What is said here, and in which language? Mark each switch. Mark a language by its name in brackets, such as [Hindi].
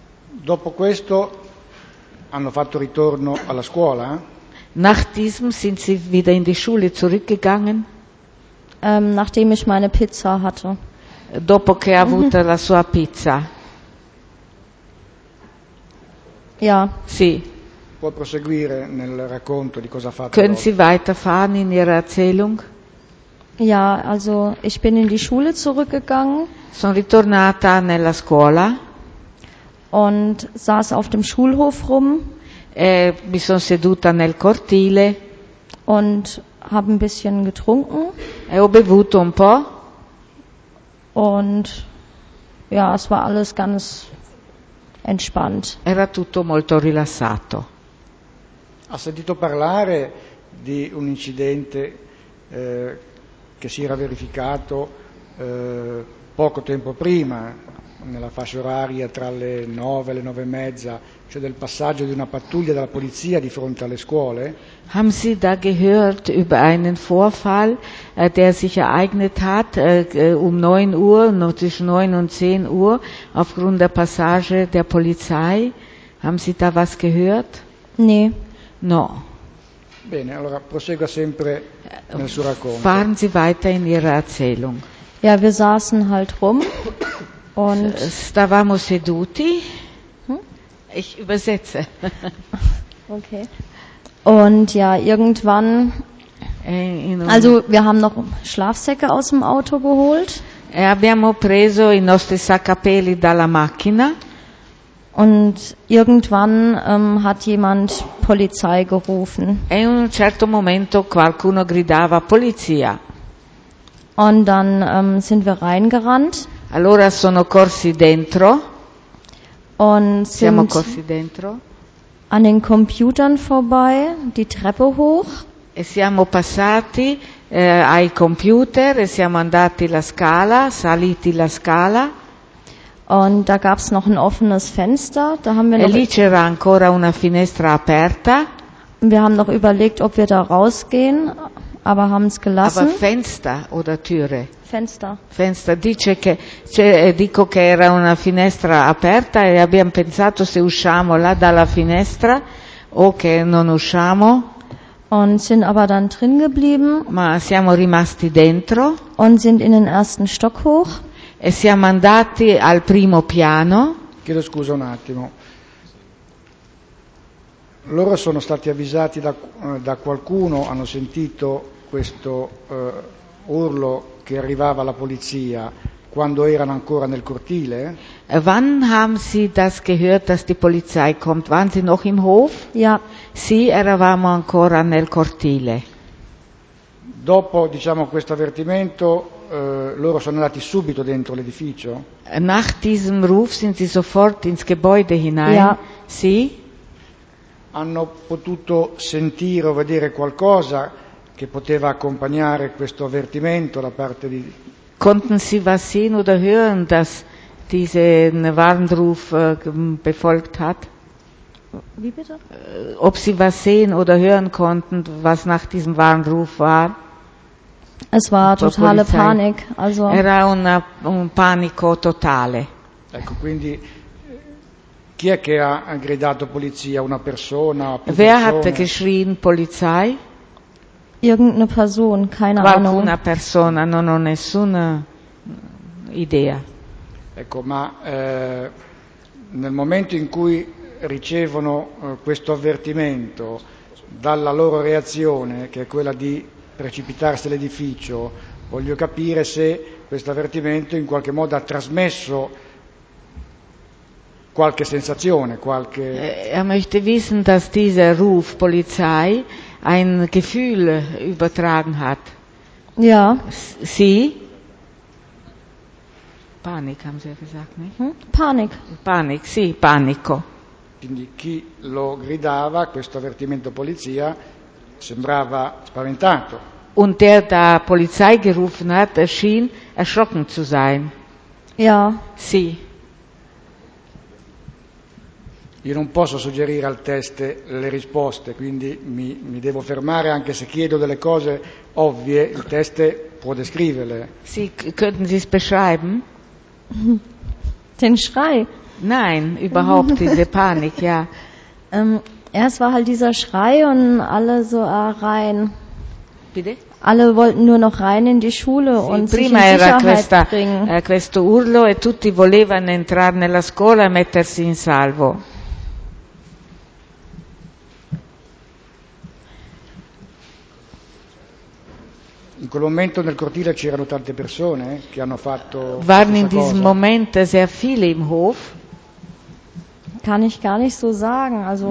[Italian] Dopo questo hanno fatto ritorno alla scuola? [German] Nach diesem sind sie wieder in die Schule zurückgegangen? Nachdem ich meine Pizza hatte. [Italian] Dopo che ha avuto la sua pizza. [German] Ja. [Italian] Sì. Può proseguire nel racconto di cosa ha fatto. [German] Können Sie weiterfahren in Ihrer Erzählung? Ja, also ich bin in die Schule zurückgegangen. [Italian] Sono ritornata nella scuola. [German] Und saß auf dem Schulhof rum. [Italian] E mi sono seduta nel cortile. [German] Und habe ein bisschen getrunken. [Italian] E ho bevuto un po'. [German] Und ja, es war alles ganz entspannt. [Italian] Era tutto molto rilassato. Ha sentito parlare di un incidente che si era verificato poco tempo prima, nella fascia oraria tra le 9 e le 9 e mezza, cioè del passaggio di una pattuglia della polizia di fronte alle scuole? [German] Haben Sie da gehört über einen Vorfall, der sich ereignet hat, um 9 Uhr, zwischen 9 und 10 Uhr, aufgrund der Passage der Polizei? Haben Sie da was gehört? Nee. [Italian] No. Bene, allora prosegua sempre nel suo racconto. [German] Fahren Sie weiter in Ihrer Erzählung. Ja, wir saßen halt rum und [Italian] stavamo seduti. [German] Ich übersetze. Okay. Und ja, irgendwann, also wir haben noch Schlafsäcke aus dem Auto geholt. [Italian] E abbiamo preso i nostri sacapelli dalla macchina. [German] Und irgendwann hat jemand Polizei gerufen. [Italian] E in un certo momento qualcuno gridava polizia. [German] Und dann sind wir reingerannt. [Italian] Allora sono corsi dentro. [German] Und [Italian] siamo corsi dentro. [German] An den Computern vorbei, die Treppe hoch. [Italian] E siamo passati ai computer e siamo andati la scala, saliti la scala. [German] Und da gab's noch ein offenes Fenster, da haben wir [Italian] e [German] noch. [Italian] Lì c'era ancora una finestra aperta. [German] Wir haben noch überlegt, ob wir da rausgehen, aber haben's gelassen. Aber Fenster oder Türe? Fenster. Fenster. [Italian] Dice che, cioè, dico che era una finestra aperta e abbiamo pensato se usciamo là dalla finestra o che non usciamo. [German] Und sind aber dann drin geblieben. [Italian] Ma siamo rimasti dentro. [German] Und sind in den ersten Stock hoch. [Italian] E siamo andati al primo piano. Chiedo scusa un attimo. Loro sono stati avvisati da qualcuno, hanno sentito questo urlo che arrivava la polizia quando erano ancora nel cortile? [German] Wann haben Sie das gehört, dass die Polizei kommt? Waren Sie noch im Hof? Ja. [Italian] Sì, eravamo ancora nel cortile. Dopo, diciamo, questo avvertimento, loro sono andati subito dentro l'edificio? [German] Nach diesem Ruf sind sie sofort ins Gebäude hinein. Ja. [Italian] Sì? Hanno potuto sentire o vedere qualcosa che poteva accompagnare questo avvertimento da parte di... [German] Konnten Sie was sehen oder hören, dass diesen Warnruf befolgt hat? Wie bitte? Ob Sie was sehen oder hören konnten, was nach diesem Warnruf war? Es war totale Panik. Also [Italian] era un panico totale. Ecco, quindi chi è che ha gridato polizia? Una persona? [German] Wer hat geschrien Polizei? Irgendeine Person, keine [Italian] Qualcuna [German] Ahnung. [Italian] Qualcuna persona, non ho nessuna idea. Ecco, ma nel momento in cui ricevono questo avvertimento dalla loro reazione, che è quella di precipitarsi all'edificio, voglio capire se questo avvertimento in qualche modo ha trasmesso qualche sensazione, qualche... [German] Möchte wissen, dass dieser Ruf Polizei ein Gefühl übertragen hat. Ja. Sie? Panik, haben Sie gesagt, nicht? Panik. [Italian] Panik, sì, panico. Quindi chi lo gridava, questo avvertimento polizia, sembrava spaventato. [German] Und der da Polizei gerufen hat, schien erschrocken zu sein. Ja. [Italian] Sì. Io non posso suggerire al test le risposte, quindi mi devo fermare anche se chiedo delle cose ovvie, il test può descriverle. Sì, [German] könnten Sie es beschreiben? Den Schrei? Nein, überhaupt diese Panik, ja. Erst war halt dieser Schrei und alle so rein. Bitte? Alle wollten nur noch rein in die Schule [Italian] sì, [German] und [Italian] prima [German] sich in Sicherheit [Italian] era questa, [German] bringen. [Italian] Questo urlo e tutti volevano entrare nella scuola e mettersi in salvo. In quel momento nel cortile c'erano tante persone che hanno fatto [German] waren in diesem Moment sehr viele im Hof? Kann ich gar nicht so sagen, also